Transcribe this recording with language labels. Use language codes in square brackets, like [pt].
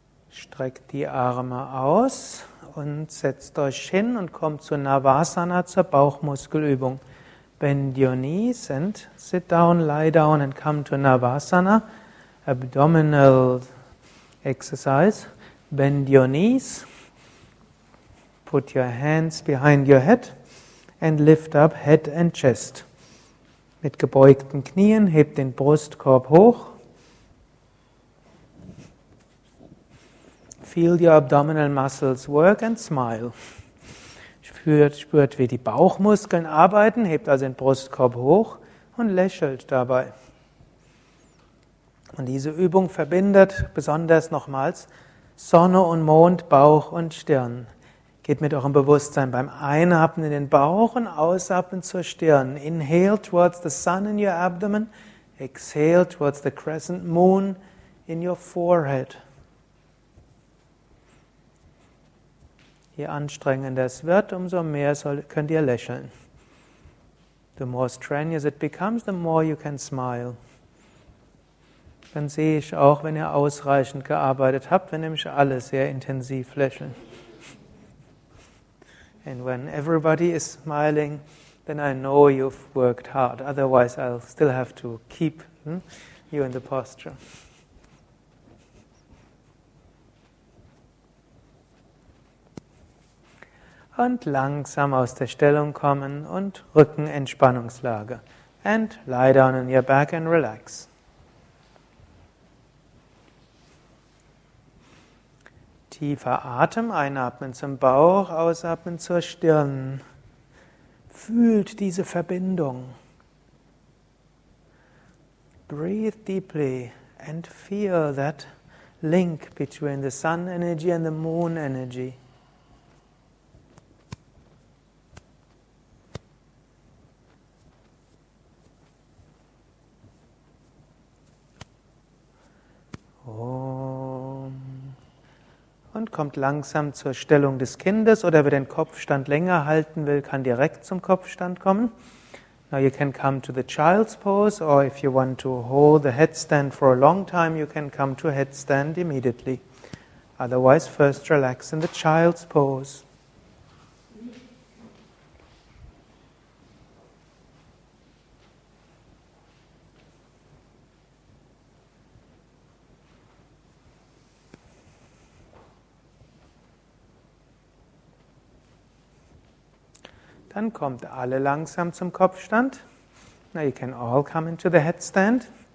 [de] Streckt die Arme aus und setzt euch hin und kommt zur Navasana, zur Bauchmuskelübung. [en] Bend your knees and sit down, lie down and come to Navasana, abdominal exercise. Bend your knees, put your hands behind your head and lift up head and chest. [de] Mit gebeugten Knien hebt den Brustkorb hoch. [en] Feel your abdominal muscles work and smile. [de] Spürt, wie die Bauchmuskeln arbeiten, hebt also den Brustkorb hoch und lächelt dabei. Und diese Übung verbindet besonders nochmals Sonne und Mond, Bauch und Stirn. Geht mit eurem Bewusstsein beim Einatmen in den Bauch und Ausatmen zur Stirn. [en] Inhale towards the sun in your abdomen. Exhale towards the crescent moon in your forehead. [de] Je anstrengender es wird, umso mehr könnt ihr lächeln. [en] The more strenuous it becomes, the more you can smile. [de] Dann sehe ich auch, wenn ihr ausreichend gearbeitet habt, wenn nämlich alle sehr intensiv lächeln. [en] And when everybody is smiling, then I know you've worked hard. Otherwise, I'll still have to keep you in the posture. [de] Und langsam aus der Stellung kommen und Rückenentspannungslage. [en] And lie down on your back and relax. [de] Tiefer Atem, einatmen zum Bauch, ausatmen zur Stirn. Fühlt diese Verbindung. [en] Breathe deeply and feel that link between the sun energy and the moon energy. Om. [de] Und kommt langsam zur Stellung des Kindes, oder wer den Kopfstand länger halten will, kann direkt zum Kopfstand kommen. [en] Now you can come to the child's pose, or if you want to hold the headstand for a long time, you can come to headstand immediately. Otherwise, first relax in the child's pose. [de] Dann kommt alle langsam zum Kopfstand. [en] Now you can all come into the headstand.